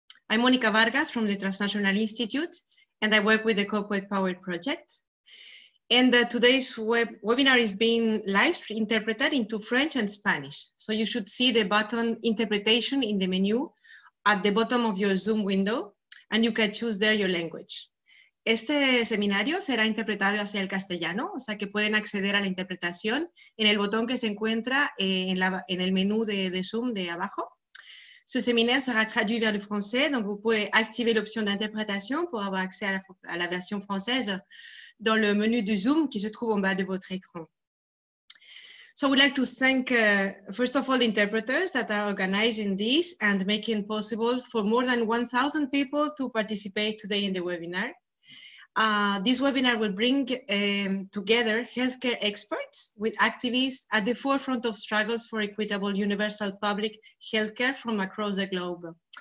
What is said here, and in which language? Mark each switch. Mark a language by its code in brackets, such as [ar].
[en] I'm Monica Vargas from the Transnational Institute, and I work with the Corporate Power Project. And today's webinar is being live interpreted into French and Spanish. So you should see the button interpretation in the menu at the bottom of your Zoom window, and you can choose there your language. [es] Este seminario será interpretado hacia el castellano, o sea que pueden acceder a la interpretación en el botón que se encuentra en el menú de Zoom de abajo. [fr] Ce séminaire sera traduit vers le français, donc vous pouvez activer l'option d'interprétation pour avoir accès à la version française dans le menu du Zoom qui se trouve en bas de votre écran. [en] So I would like to thank, first of all, the interpreters that are organizing this and making it possible for more than 1,000 people to participate today in the webinar. This webinar will bring together healthcare experts with activists at the forefront of struggles for equitable universal public healthcare from across the globe.